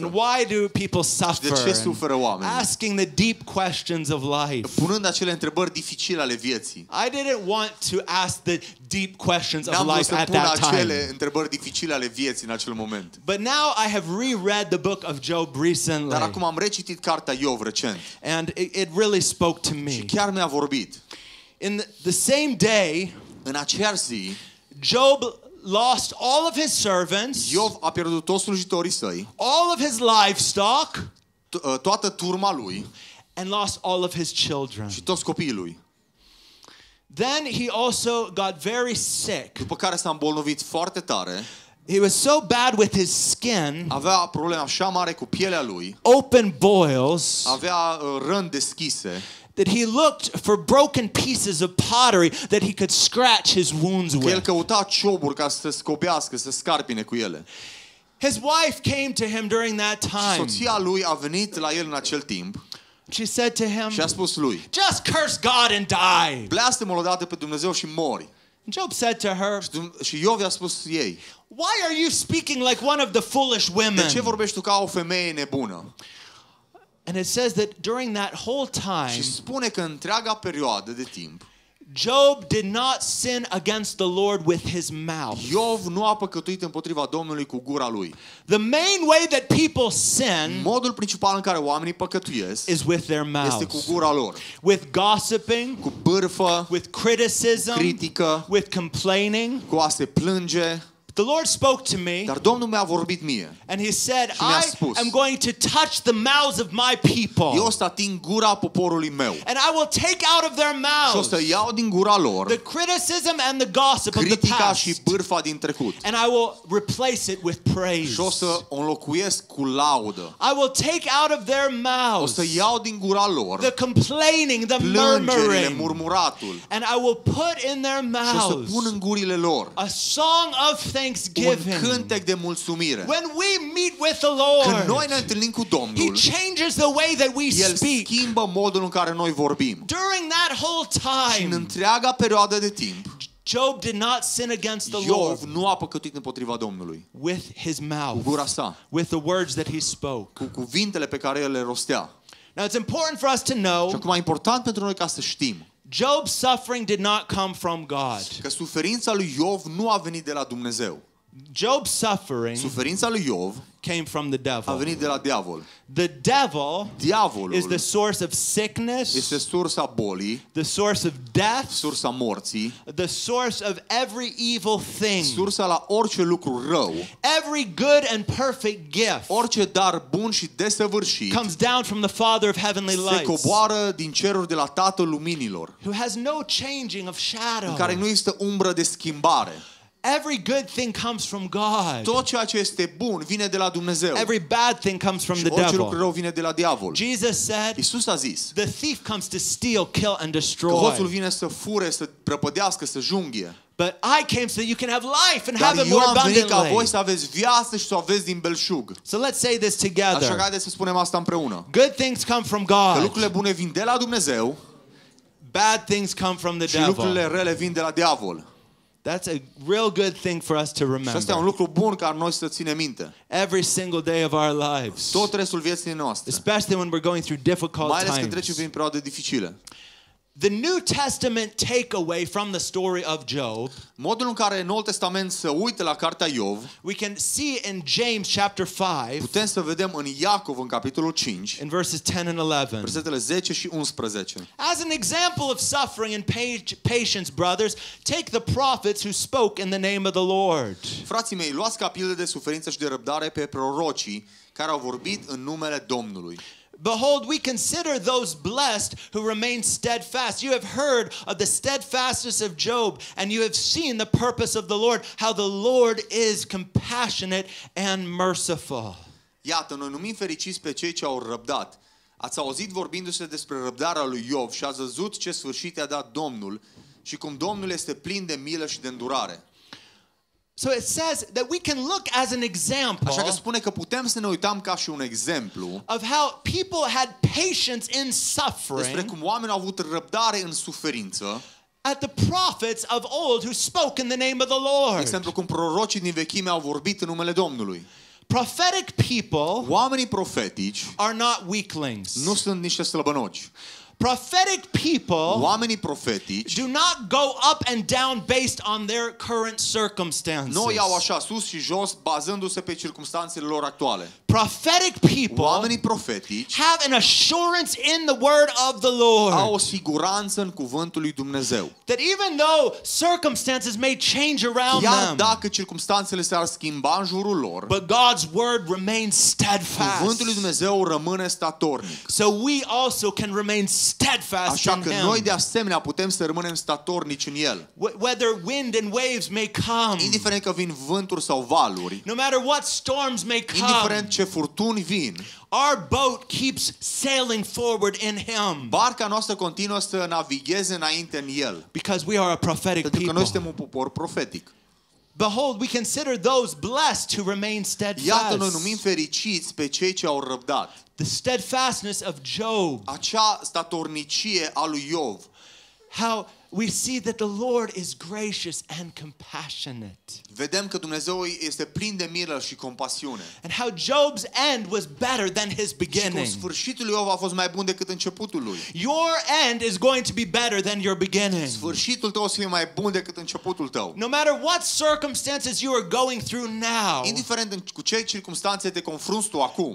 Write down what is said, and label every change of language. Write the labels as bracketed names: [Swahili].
[English] And why do people suffer? [Romanian] De ce suferă oamenii? [English] Asking the deep questions of life. [Romanian] Punând acele întrebări dificile ale vieții. [English] I didn't want to ask the deep questions of life at that time. [Romanian] N-am vrut să pun acele întrebări dificile ale vieții în acel moment. [English] But now I have reread the book of Job recently. [Romanian] Dar acum am recitit cartea Iov recent. [English] And it really spoke to me. [Romanian] Și chiar mi-a vorbit. [English] In the same day, [Romanian] în aceeași zi, [English] Job lost all of his servants. [Romanian] Iov a pierdut toți slujitorii săi. [English] All of his livestock. [Romanian] Toată turma lui. [English] And lost all of his children. [Romanian] Și toți copiii lui. [English] Then he also got very sick. [Romanian] După care s-a îmbolnăvit foarte tare. [English] He was so bad with his skin. [Romanian] Avea probleme așa mare cu pielea lui. [English] Open boils. [Romanian] Avea rând deschise. [English] That he looked for broken pieces of pottery that he could scratch his wounds with. [Romanian] El căuta cioburi ca să scobească, să scarpine cu ele. [English] His wife came to him during that time. [Romanian] Soția lui a venit la el în acel timp. [English] She said to him, [Romanian] și a spus lui, [English] just curse God and die. [Romanian] Blastemă-l odată pe Dumnezeu și mori. [English] Job said to her, [Romanian] și Iov i-a spus ei, [English] why are you speaking like one of the foolish women? [Romanian] De ce vorbești tu ca o femeie nebună? [English] And it says that during that whole time, [Romanian] și spune că întreaga perioadă de timp, [English] Job did not sin against the Lord with his mouth. [Romanian] Iov nu a păcătuit împotriva Domnului cu gura lui. [English] The main way that people sin, [Romanian] modul principal în care oamenii păcătuiesc, [English] is with their mouth. [Romanian] Este cu gura lor. [English] With gossiping, [Romanian] cu bârfă, [English] with criticism, [Romanian] cu critică, [English] with complaining, [Romanian] cu a se plânge. [English] The Lord spoke to me. [Romanian] Dar Domnul mi-a vorbit mie. [English] And he said, [Romanian] și mi-a spus, [English] I am going to touch the mouths of my people. [Romanian] Eu o să ating gura poporului meu. [English] And I will take out of their mouths. [Romanian] Și o să iau din gura lor. [English] The criticism and the gossip of the past. [Romanian] Critica și bârfa din trecut. [English] And I will replace it with praise. [Romanian] Și o să o înlocuiesc cu laudă. [English] I will take out of their mouths. [Romanian] O să iau din gura lor. [English] The complaining, the murmuring. [Romanian] Plângerile, murmuratul. [English] And I will put in their mouths. [Romanian] Și o să pun în gurile lor. [English] A song of thanksgiving. [Romanian] Un cântec de mulțumire. [English] When we meet with the Lord, [Romanian] când noi ne întâlnim cu Domnul, [English] he changes the way that we [Romanian] speak. El schimbă modul în care noi vorbim. [English] During that whole time, [Romanian] și în întreaga perioadă de timp, [English] Job did not sin against the [Romanian] Iov [English] Lord. [Romanian] Nu a păcătuit împotriva Domnului. [English] With his mouth. [Romanian] Cu gura sa. [English] With the words that he spoke. [Romanian] Cu cuvintele pe care el le rostea. [English] Now it's important for us to know. [Romanian] Și acum e important pentru noi ca să știm. [English] Job's suffering did not come from God. [Romanian] Că suferința lui Iov nu a venit de la Dumnezeu. [English] Job's suffering, [Romanian] suferința lui Iov, [English] came from the devil. [Romanian] A venit de la diavol. [English] The devil, [Romanian] diavolul, [English] is the source of sickness, [Romanian] este sursa bolii, [English] the source of death, [Romanian] sursa morții, [English] the source of every evil thing, [Romanian] sursa la orice lucru rău, [English] every good and perfect gift, [Romanian] orice dar bun și desăvârșit, [English] comes down from the Father of heavenly lights, [Romanian] se coboară din ceruri de la Tatăl luminilor, [English] who has no changing of shadow, [Romanian] în care nu există umbră de schimbare. [English] Every good thing comes from God. [Romanian] Tot ceea ce este bun vine de la Dumnezeu. [English] Every bad thing comes from the devil. [Romanian] Și orice lucru rău vine de la diavol. [English] Jesus said. [Romanian] Iisus a zis. [English] The thief comes to steal, kill and destroy. [Romanian] Hoțul vine să fure, să prăpădească, să junghie. [English] But I came so that you can have life and [Romanian] Dar [English] have it more abundantly. [Romanian] Dar eu am venit ca voi să aveți viață și să aveți din belșug. [English] So let's say this together. [Romanian] Așa că haideți să spunem asta împreună. [English] Good things come from God. [Romanian] Că lucrurile bune vin de la Dumnezeu. [English] Bad things come from the [Romanian] și [English] devil. [Romanian] Și lucrurile rele vin de la diavol. [English] That's a real good thing for us to remember. [Romanian] Și asta e un lucru bun ca noi să ținem minte. [English] Every single day of our lives. [Romanian] Tot restul vieții noastre. [English] Especially when we're going through difficult [Romanian] times. Mai ales când trecem prin perioade dificile. [English] The New Testament takeaway from the story of Job. [Romanian] Modul în care Noul Testament se uită la cartea Iov. [English] We can see in James chapter 5. [Romanian] Putem să vedem în Iacov în capitolul 5. [English] In verses 10 and 11. [Romanian] Versetele 10 și 11. [English] As an example of suffering and patience, brothers, take the prophets who spoke in the name of the Lord. [Romanian] Frații mei, luați ca pildă de suferință și de răbdare pe prorocii care au vorbit în numele Domnului. [English] Behold, we consider those blessed who remain steadfast. You have heard of the steadfastness of Job, and you have seen the purpose of the Lord, how the Lord is compassionate and merciful. [Romanian] Iată, noi numim fericiți pe cei ce au răbdat. Ați auzit vorbindu-se despre răbdarea lui Iov și ați văzut ce sfârșit i-a dat Domnul și cum Domnul este plin de milă și de îndurare. [English] So it says that we can look as an example. [Romanian] Așa că spune că putem să ne uităm ca și un exemplu. [English] Of how people had patience in suffering. [Romanian] Despre cum oamenii au avut răbdare în suferință. [English] At the prophets of old who spoke in the name of the Lord. [Romanian] De exemplu, cum prorocii din vechime au vorbit în numele Domnului. [English] Prophetic people. [Romanian] Oamenii profetici. [English] Are not weaklings. [Romanian] Nu sunt niște slăbănoci. [English] Prophetic people, [Romanian] oamenii profetici, [English] do not go up and down based on their current circumstances. [Romanian] Nu iau așa sus și jos bazându-se pe circumstanțele lor actuale. [English] Prophetic people, [Romanian] oamenii profetici, [English] have an assurance in the word of the Lord. [Romanian] Au o siguranță în cuvântul lui Dumnezeu. [English] That even though circumstances may change around them, [Romanian] chiar dacă circumstanțele s-ar schimba în jurul lor, [English] but God's word remains steadfast. [Romanian] Cuvântul lui Dumnezeu rămâne statornic. [English] So we also can remain steadfast in him. [Romanian] Așa că noi de asemenea putem să rămânem statornici în el. [English] Whether wind and waves may come, [Romanian] indiferent că vin vânturi sau valuri, [English] no matter what storms may come, [Romanian] indiferent ce furtuni vin, [English] our boat keeps sailing forward in him. [Romanian] Barca noastră continuă să navigheze înainte în el. [English] Because we are a prophetic people. [Romanian] Pentru că noi suntem un popor profetic. [English] Behold, we consider those blessed who remain steadfast. [Romanian] Iată, noi numim fericiți pe cei ce au răbdat. [English] The steadfastness of Job. [Romanian] Acea statornicie a lui Iov. [English] How we see that the Lord is gracious and compassionate. [Romanian] Vedem că Dumnezeu este plin de milă și compasiune. [English] And how Job's end was better than his beginning. [Romanian] Și cum sfârșitul lui Iov a fost mai bun decât începutul lui. [English] Your end is going to be better than your beginning. [Romanian] Sfârșitul tău o să fie mai bun decât începutul tău. [English] No matter what circumstances you are going through now. [Romanian] Indiferent cu ce circumstanțe te confrunți tu acum.